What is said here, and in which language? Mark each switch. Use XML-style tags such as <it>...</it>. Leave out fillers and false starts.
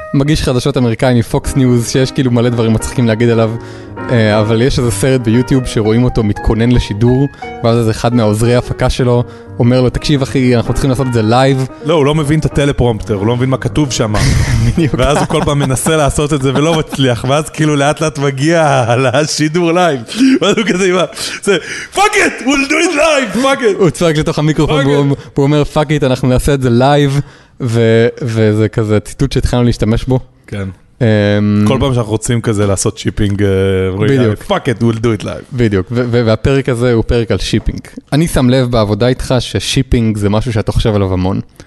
<he>מגיש חדשות אמריקאי מפוקס ניוז, שיש כאילו מלא דברים מצחיקים להגיד עליו, אבל יש איזה סרט ביוטיוב שרואים אותו מתכונן לשידור, ואז איזה אחד מהעוזרי ההפקה שלו אומר לו, תקשיב אחי, אנחנו צריכים לעשות את זה לייב. לא, הוא לא מבין את הטלפרומפטר, הוא לא מבין מה כתוב שם. ואז הוא כל פעם מנסה לעשות את זה ולא מצליח, ואז כאילו לאט לאט מגיע לשידור לייב. ואז הוא כזה, זה,</he> <en>fuck it, we'll do it live, fuck it.</en> <he>הוא צפק לתוך המיקרופון, והוא אומר,</he> <en>fuck it,</en> <he>אנחנו נעשה את זה לייב. וזה כזה ציטוט שהתחלנו להשתמש בו. כן. כל פעם שאנחנו רוצים כזה לעשות שיפינג, בדיוק.</he> <en>Fuck it, we'll do it live.</en> <he>בדיוק. והפרק הזה הוא פרק על שיפינג. אני שם לב בעבודה איתך ששיפינג זה משהו שאתה חושב עליו המון.</he>